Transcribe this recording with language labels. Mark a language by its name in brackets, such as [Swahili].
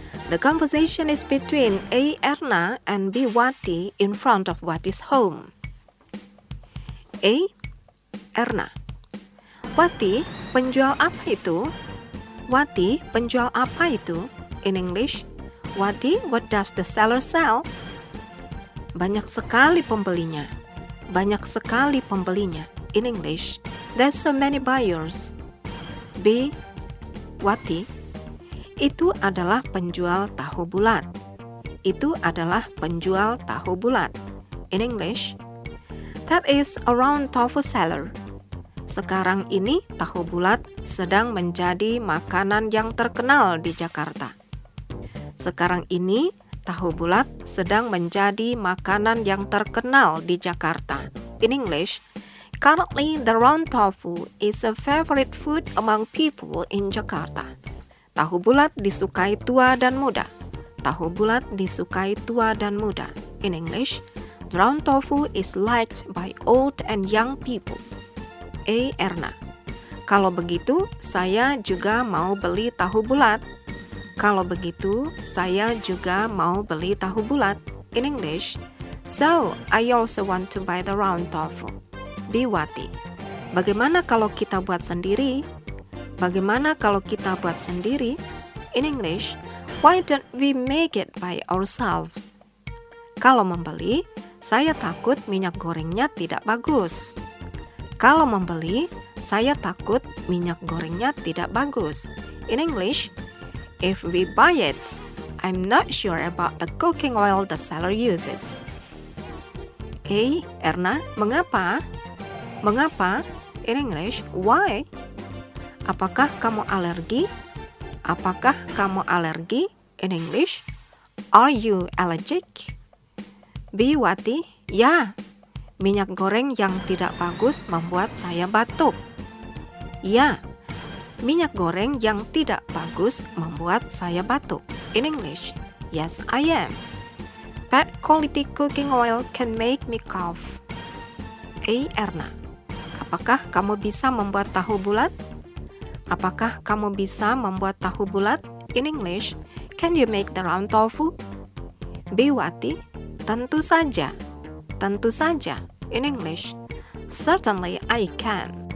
[English] The conversation is between A. Erna and B. Wati in front of Wati's home. [Indonesian] A. Erna. Wati, penjual apa itu? Wati, penjual apa itu? [English] In English, Wati, what does the seller sell? [Indonesian] Banyak sekali pembelinya. Banyak sekali pembelinya. [English] In English, there's so many buyers. B. [Indonesian] Wati, itu adalah penjual tahu bulat. Itu adalah penjual tahu bulat. [English] In English, that is a round tofu seller. [Indonesian] Sekarang ini tahu bulat sedang menjadi makanan yang terkenal di Jakarta. Sekarang ini tahu bulat sedang menjadi makanan yang terkenal di Jakarta. [English] In English, currently the round tofu is a favorite food among people in Jakarta. [Indonesian] Tahu bulat disukai tua dan muda. Tahu bulat disukai tua dan muda. [English] In English, the round tofu is liked by old and young people. [Indonesian] A. Erna. Kalau begitu, saya juga mau beli tahu bulat. Kalau begitu, saya juga mau beli tahu bulat. [English] In English, so I also want to buy the round tofu. B. Wati. [Indonesian] Bagaimana kalau kita buat sendiri? Bagaimana kalau kita buat sendiri? [English] In English, why don't we make it by ourselves? [Indonesian] Kalau membeli, saya takut minyak gorengnya tidak bagus. Kalau membeli, saya takut minyak gorengnya tidak bagus. [English] In English, if we buy it, I'm not sure about the cooking oil the seller uses. [Indonesian] A. Erna, mengapa? Mengapa? [English] In English, why? [Indonesian] Apakah kamu alergi? Apakah kamu alergi? [English] In English, are you allergic? [Indonesian] B. Wati, ya. Minyak goreng yang tidak bagus membuat saya batuk. Ya. Minyak goreng yang tidak bagus membuat saya batuk. [English] In English, yes, I am. Bad quality cooking oil can make me cough. A. [Indonesian] Erna, apakah kamu bisa membuat tahu bulat? Apakah kamu bisa membuat tahu bulat? [English] In English, can you make the round tofu? B. [Indonesian] Wati, tentu saja. Tentu saja. [English] In English, certainly I can.